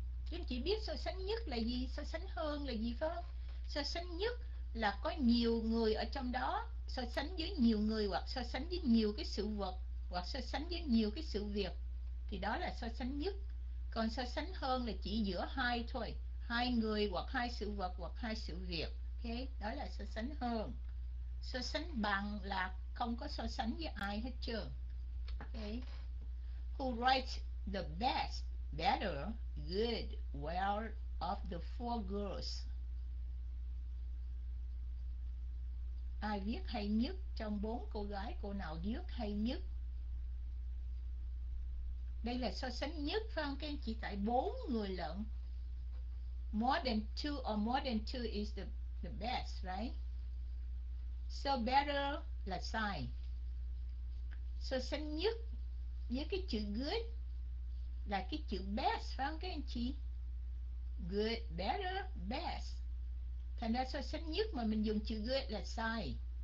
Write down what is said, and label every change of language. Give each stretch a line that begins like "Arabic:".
Vietnamese: Chúng chỉ biết so sánh nhất là gì, so sánh hơn là gì phải không? So sánh nhất là có nhiều người ở trong đó, so sánh với nhiều người hoặc so sánh với nhiều cái sự vật hoặc so sánh với nhiều cái sự việc thì đó là so sánh nhất. Còn so sánh hơn là chỉ giữa hai thôi, hai người hoặc hai sự vật hoặc hai sự việc. Ok, đó là so sánh hơn. So sánh bằng là không có so sánh với ai hết trơn.
English: Ok, who writes the best, better, good, well of the four girls?
Vietnamese: Ai viết hay nhất trong bốn cô gái? Cô nào viết hay nhất? Đây là so sánh nhất phải không các anh chị? Tại bốn người lận.
English: More than two or more than two is the best, right?
Vietnamese: So better là sai. So sánh nhất với cái chữ good là cái chữ best phải không các anh chị?
English: Good, better, best.
Vietnamese: Thành ra so sánh nhất mà mình dùng chữ good là sai.